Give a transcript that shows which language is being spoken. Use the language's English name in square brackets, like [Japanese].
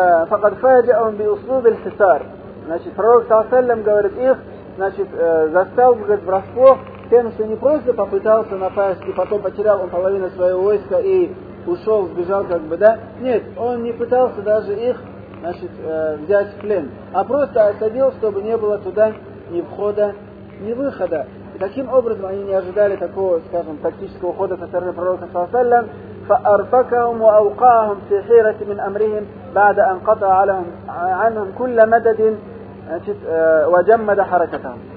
[Arabic] فقد فاجأهم بأسلوب الحصار. [Russian] Значит, пророк саллям говорит их, значит, застал, говорит, врасплох тем, что не просто попытался напасть и потом потерял он половину своего войска и ушел, сбежал, как бы, да? Нет, он не пытался даже их, значит, взять в плен, а просто осадил, чтобы не было туда ни входа, ни выхода. И таким образом они не ожидали такого, скажем, тактического хода со стороны пророка саллям. [Arabic] فأرفقهم وأوقعهم في حيرة من أمرهم بعد أن قطع عنهم كل مدد وجمد حركتهم.